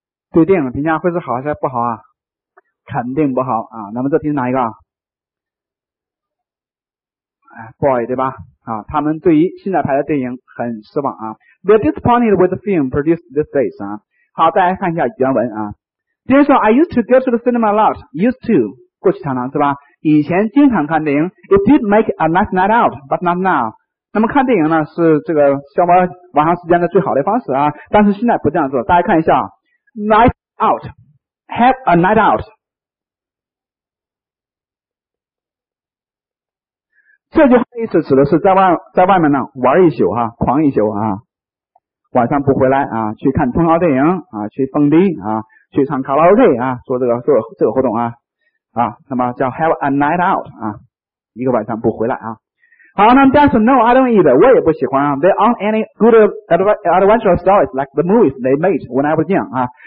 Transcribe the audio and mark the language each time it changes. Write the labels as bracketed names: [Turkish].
[Chinese] 对电影评价会是好还是不好啊？肯定不好啊，那么这题是哪一个？ Boy, 对吧？啊，他们对于现在拍的电影很失望啊。 [English] They're disappointed with the film produced these days 啊。 [Chinese] 好，大家看一下原文啊。比如说 [English] ，I used to go to the cinema a lot. [Chinese] Used to 过去常常是吧？以前经常看电影。 [English] It did make a nice night out, but not now. [Chinese] 那么看电影呢，是这个消磨晚上时间的最好的方式啊。但是现在不这样做。大家看一下 ， [English] night out, have a night out. [Chinese] 这句话意思指的是在外面呢玩一宿啊，狂一宿啊，晚上不回来啊，去看通宵电影啊，去蹦迪啊，去唱卡拉 OK 啊，做这个活动啊，啊，那么叫 [English] have a night out [Chinese] 啊，一个晚上不回来啊。 [English] 好，那 that's no, I don't either. [Chinese] 我也不喜欢啊。 [English] There aren't any good adventure stories like the movies they made when I was young 啊。